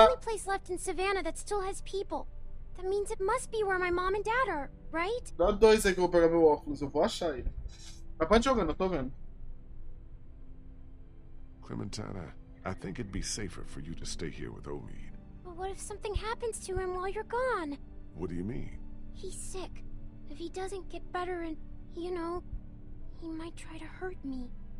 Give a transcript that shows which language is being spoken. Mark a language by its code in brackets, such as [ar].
[en] The only place left in Savannah that still has people. That means it must be where my mom and dad are, right? [pt] Dá dois aí que eu vou pegar meu óculos. Eu vou achar ele. Mas pode jogar, não tô vendo. [en] Clementine, I think it'd be safer for you to stay here with Omid. But what if something happens to him while you're gone? What do you mean? He's sick. If he doesn't get better and, you know, he might try to hurt me.